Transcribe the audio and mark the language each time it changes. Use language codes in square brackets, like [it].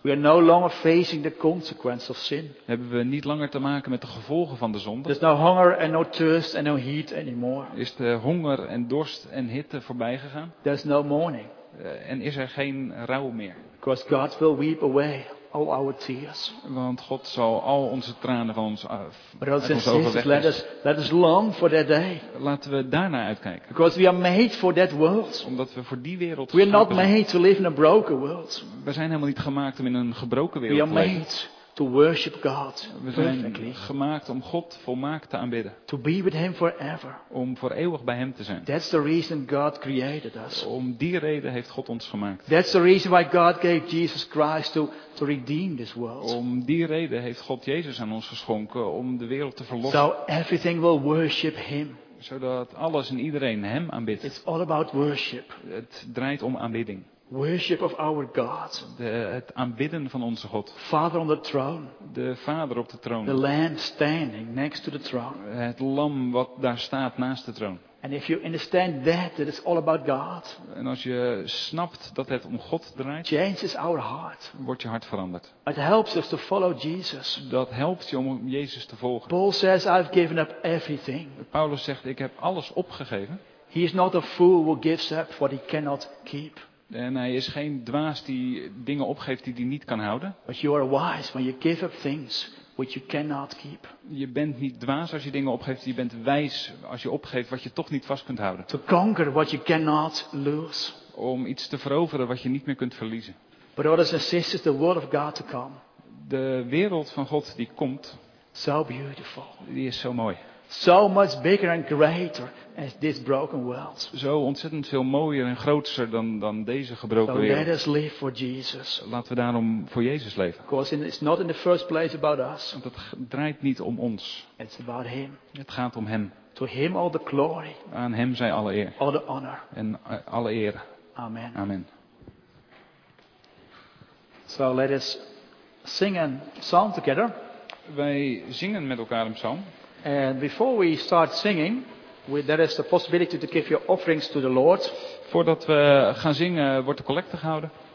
[en] We are no longer facing the consequence of sin. [nl] Hebben we niet langer te maken met de gevolgen van de zonde. [en] There's no hunger and no thirst and no heat anymore. [nl] Is de honger en dorst en hitte voorbij gegaan? [en] There's no mourning. [nl] En is er geen rouw meer? [en] Because God will weep away all our tears. [nl] Want God zal al onze tranen van ons af. [en] Let us long for that day. [nl] Laten we daarna uitkijken. [en] Because we are made for that world. [nl] Omdat we voor die wereld geschapen zijn. [en] We are not made to live in a broken world. [nl] We zijn helemaal niet gemaakt om in een gebroken wereld te leven. [en] are made to worship God. [nl] We zijn gemaakt om God volmaakt te aanbidden. [en] To be with him forever. [nl] Om voor eeuwig bij hem te zijn. [en] That's the reason God created us. [nl] Om die reden heeft God ons gemaakt. [en] That's the reason why God gave Jesus Christ to redeem this world. [nl] Om die reden heeft God Jezus aan ons geschonken om de wereld te verlossen. [en] So everything will worship him. [nl] Zodat alles en iedereen hem aanbidt. [en] It's all about worship. [nl] Het draait om aanbidding. [en] Worship of our God. [nl] Het aanbidden van onze God. [en] Father on the throne. [nl] De Vader op de troon. [en] The Lamb standing next to the throne. [nl] Het Lam wat daar staat naast de troon. [en] And if you understand that it's all about God. [nl] En als je snapt dat het om God draait. [en] Changes our heart. [nl] Wordt je hart veranderd. [en] It helps us to follow Jesus. [nl] Dat helpt je om Jezus te volgen. [en] Paul says, I've given up everything. [nl] Paulus zegt, ik heb alles opgegeven. [en] He is not a fool who gives up what he cannot keep. [nl] En hij is geen dwaas die dingen opgeeft die hij niet kan houden. [en] But you are wise when you give up things which you cannot keep. [nl] Je bent niet dwaas als je dingen opgeeft, je bent wijs als je opgeeft wat je toch niet vast kunt houden. [en] To conquer what you cannot lose. [nl] Om iets te veroveren wat je niet meer kunt verliezen. [en] Brothers and sisters, the word of God to come. [nl] De wereld van God die komt. [en] So beautiful. [nl] Die is zo mooi. [en] So much bigger and greater as this broken world. [nl] Zo ontzettend veel mooier en groter dan deze gebroken wereld. [en] So let us live for Jesus. [nl] Laten we daarom voor Jezus leven. [en] Because it's not in the first place about us. [nl] Want het draait niet om ons. [en] It's about him. [nl] Het gaat om hem. [en] To him all the glory. [nl] Aan hem zij alle eer. [en] All the honor. [nl] En alle eer. [en] Amen. [nl] Amen. [en] So let us sing a psalm together. [nl] Wij zingen met elkaar een psalm. [en] And before we start singing, there is the possibility to give your offerings to the Lord. [nl] Voordat we gaan zingen, wordt de collecte gehouden.